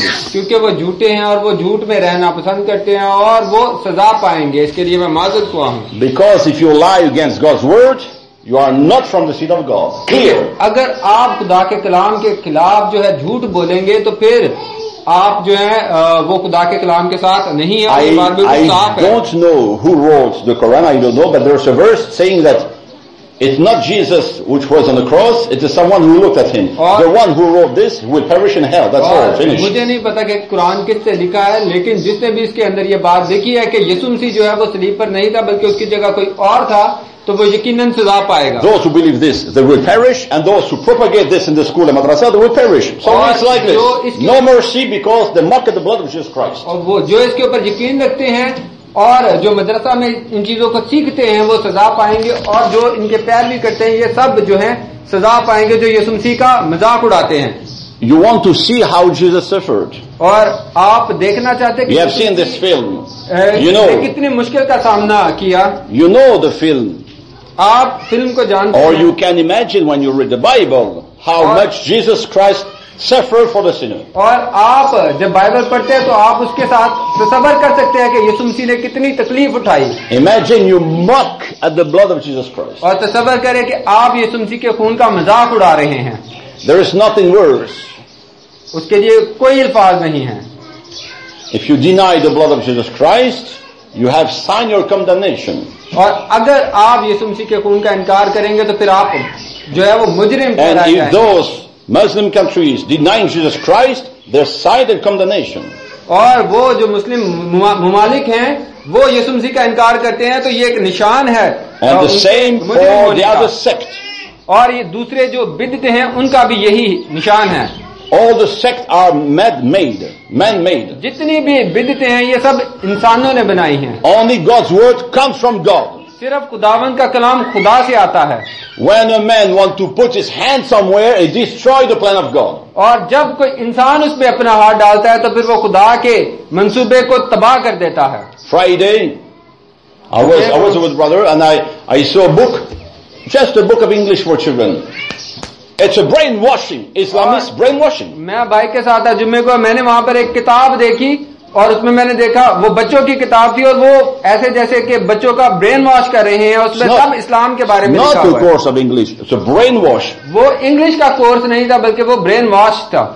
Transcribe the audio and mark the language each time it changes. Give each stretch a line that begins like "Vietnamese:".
Hindi: क्योंकि वो झूठे हैं और वो झूठ में रहना पसंद करते हैं और वो सजा पाएंगे. इसके लिए मैं माजर को हूँ.
English: Because if you lie against God's word, you are not from the seed of God. Clear.
Hindi: अगर आप खुदा के कलाम के खिलाफ जो है झूठ बोलेंगे तो फिर आप जो है वो खुदा के कलाम के साथ नहीं है.
English: I don't know who wrote the Quran. I don't know, but there's a verse saying that it's not Jesus which was on the cross, it is someone who looked at him. The one who wrote this will perish in hell. That's all. Finish.
Hindi: मुझे नहीं पता कि कुरान किससे लिखा है, लेकिन जिसने भी इसके अंदर ये बात देखी है कि यीशु मसीह जो है वो सलीब पर नहीं था बल्कि उसकी जगह कोई और था, तो वो यकीनन सजा पाएगा.
English: Those who believe this, they will perish, and those who propagate this in the school and madrasa, they will perish. So it's like this. No mercy because they mock at the blood of Jesus Christ.
Hindi: और वो जो इसके ऊपर यकीन रखते हैं और जो मदरसा में इन चीजों को सीखते हैं वो सजा पाएंगे, और जो इनके पैरवी करते हैं ये सब जो हैं सजा पाएंगे जो यीशु मसीह का मजाक उड़ाते हैं.
English: You want to see how Jesus suffered.
Hindi: और आप देखना चाहते हैं.
English: We have seen this film. You know.
Hindi: कितने मुश्किल का सामना किया.
English: You know the film.
Hindi: आप फिल्म को जानते हैं।
English: Or you can imagine when you read the Bible how much Jesus Christ suffered for the sinner।
Hindi: और आप जब बाइबल पढ़ते हैं तो आप उसके साथ सबर कर सकते हैं कि यीशु मसीह ने कितनी तकलीफ उठाई।
English: Imagine you mock at the blood of Jesus Christ।
Hindi: और तसव्वुर करें कि आप यीशु मसीह के खून का मजाक उड़ा रहे हैं।
English: There is nothing worse।
Hindi: उसके लिए कोई अल्फाज नहीं है।
English: If you deny the blood of Jesus Christ, you have signed your condemnation।
Hindi: और अगर आप यीशु मसीह के खून का इनकार करेंगे तो फिर आप जो है वो मुजरिम ठहराए जाएंगे।
English: And if those Muslim countries denying Jesus Christ, they signed their condemnation।
Hindi: और वो जो मुस्लिम मुमालिक हैं वो यीशु मसीह का इनकार करते हैं तो ये एक निशान है।
English: And the same for the other sect।
Hindi: और ये दूसरे जो बिदअत हैं उनका भी यही निशान है।
English: All the sects are man-made, man-made।
Hindi: जितनी भी बिदअतें हैं ये सब इंसानों ने बनाई हैं।
English: Only God's word comes from God।
Hindi: सिर्फ खुदावन का कलाम खुदा से आता है।
English: When a man wants to put his hand somewhere, he destroys the plan of God।
Hindi: और जब कोई इंसान उसमें अपना हाथ डालता है तो फिर वो खुदा के मंसूबे को तबाह कर देता है।
English: Friday, I was with brother and I saw a book, just a book of English for children। It's a brainwashing, Islamist brainwashing।
Hindi: मैं भाई के साथ था जुम्मे को, मैंने वहां पर एक किताब देखी और उसमें मैंने देखा वो बच्चों की किताब थी और वो ऐसे जैसे कि बच्चों का ब्रेन वॉश कर रहे हैं और उसमें सब इस्लाम के बारे में लिखा हुआ।
English: Course of English, brain wash.
Hindi: वो इंग्लिश का कोर्स नहीं था बल्कि वो ब्रेन वॉश था।